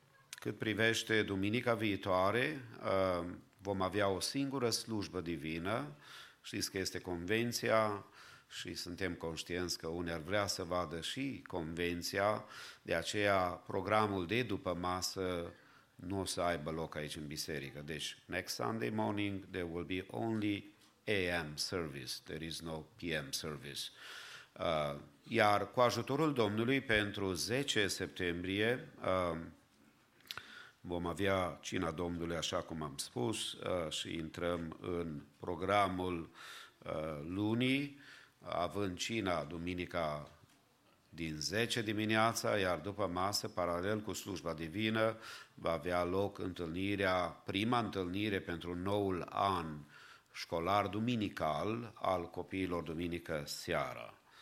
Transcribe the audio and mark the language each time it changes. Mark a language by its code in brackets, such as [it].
[ro] Cât privește duminica viitoare, vom avea o singură slujbă divină. Știți că este convenția și suntem conștienți că unii ar vrea să vadă și convenția, de aceea programul de după masă nu o să aibă loc aici în biserică. Deci, [en] next Sunday morning, there will be only AM service, there is no PM service. [ro] Iar cu ajutorul Domnului, pentru 10 septembrie, vom avea cina Domnului, așa cum am spus, și intrăm în programul lunii, având cina duminica din 10 dimineața, iar după masă, paralel cu slujba divină, va avea loc întâlnirea, prima întâlnire pentru noul an școlar duminical al copiilor duminică seara.